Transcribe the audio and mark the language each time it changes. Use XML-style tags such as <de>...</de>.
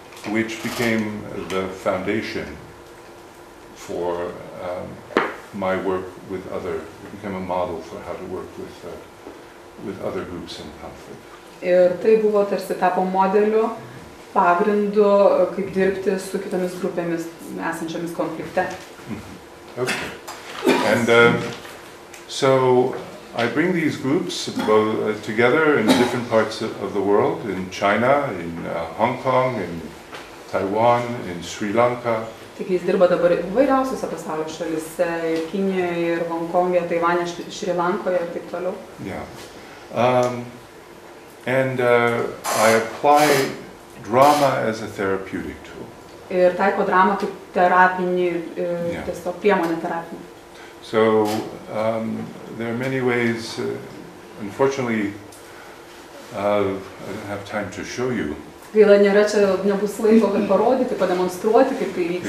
<en>Which became the foundation for my work with other, it became a model for how to work with other groups in conflict.</en> <lt>Ir tai buvo tarsi tapo modeliu, pagrindu, kaip dirbti su kitomis grupėmis esančiomis konflikte.</lt> <en>Okay. And so I bring these groups both together in different parts of the world, in China, in Hong Kong, in Taiwan, in Sri Lanka.</en> <lt>Taigi jis dirba dabar įvairiausiose pasaulio šalyse, ir Kinijoje, ir Hongkonge, Taiwane, Šri Lankoje ir taip toliau.</lt> <en>Yeah. I apply drama as a therapeutic tool.</en> <lt>ir taiko dramą kaip terapinį, tiesiog priemonę terapinį.</lt> <en>So, there are many ways, unfortunately, I don't have time to show you.</en> <lt>Gaila, nėra čia, nebus laiko, kad parodyti, pademonstruoti, kaip tai vyksta.</lt>